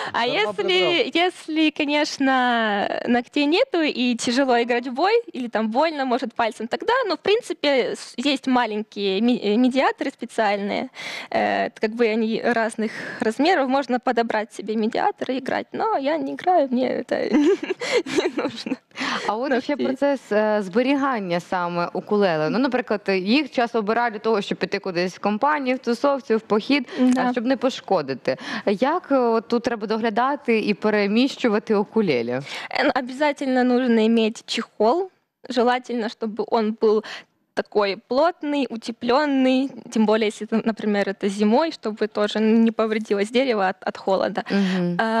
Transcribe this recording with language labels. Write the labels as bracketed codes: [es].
[ru] А если, конечно, ногтей нету и тяжело играть в бой, или там больно, может, пальцем, тогда, ну, в принципе, есть маленькие медиаторы специальные, как бы они разных размеров, можно подобрать себе медиатор и играть. Но я не играю, мне это не нужно. [uk] А от ще процес зберігання саме укулеле. Ну, наприклад, їх часто обирають для того, щоб піти кудись в компанію, в тусовці, в похід, да. А щоб не пошкодити. Як тут треба доглядати і переміщувати укулеле? Обов'язково потрібно мати чехол. [ru] Желательно, [uk] щоб він був [ru] такой плотный, утепленный, тем более, если, например, это зимой, чтобы тоже не повредилось дерево от холода. Угу.